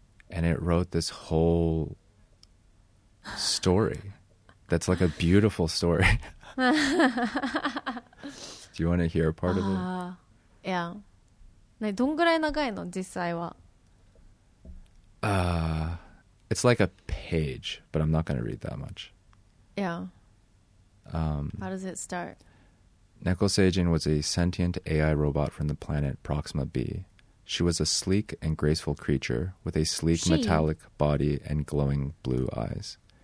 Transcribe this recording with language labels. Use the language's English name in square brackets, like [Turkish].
[English] And it wrote this whole story that's like a beautiful story. Do you want to hear part of it? Yeah. [Japanese] ね、どんぐらい長いの実際は。 [English] It's like a page, but I'm not going to read that much. Yeah. How does it start? Neko Seijin was a sentient AI robot from the planet Proxima B. She was a sleek and graceful creature with a sleek metallic body and glowing blue eyes.